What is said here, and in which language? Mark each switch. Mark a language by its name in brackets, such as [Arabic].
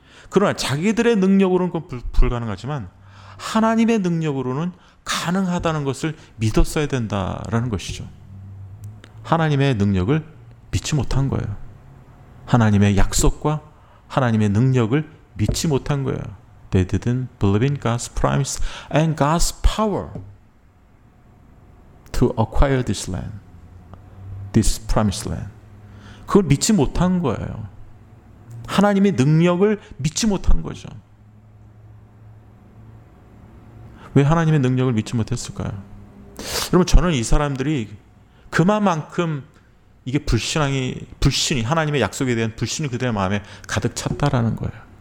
[Korean] 그러나 자기들의 능력으로는 그건 불가능하지만 하나님의 능력으로는 가능하다는 것을 믿었어야 된다라는 것이죠. 하나님의 능력을 믿지 못한 거예요. 하나님의 약속과 하나님의 능력을 믿지 못한 거예요. [English] They didn't believe in God's promise and God's power to acquire this land, this promised land. [Korean] 그걸 믿지 못한 거예요. 하나님의 능력을 믿지 못한 거죠. 왜 하나님의 능력을 믿지 못했을까요? 여러분, 저는 이 사람들이 그만큼 이게 불신이 하나님의 약속에 대한 불신이 그들의 마음에 가득 찼다라는 거예요.